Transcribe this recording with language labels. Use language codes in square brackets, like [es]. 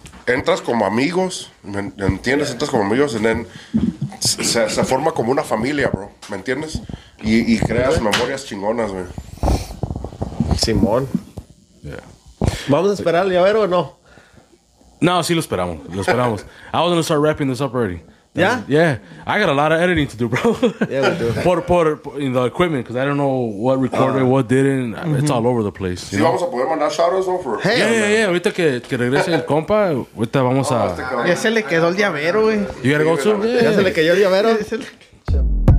[es] Entras como amigos, ¿me entiendes? Entras como amigos y se forma como una familia, bro. ¿Me entiendes? Y creas memorias chingonas, güey. Simón. Yeah. ¿Vamos a esperar ya a ver o no? No, sí lo esperamos. [en] I was going to start wrapping this up already. Yeah? Yeah. I got a lot of editing to do, bro. Yeah, we do. For in the equipment, because I don't know what recorded, what didn't. Mm-hmm. It's all over the place. [es] Sí, vamos a poder mandar [en] shoutouts over. Hey, yeah. [es] Ahorita que regrese el compa, ahorita vamos a... Ya se le quedó el llavero, güey. [en] You gotta go too? Yeah. [es] Ya se le quedó el llavero.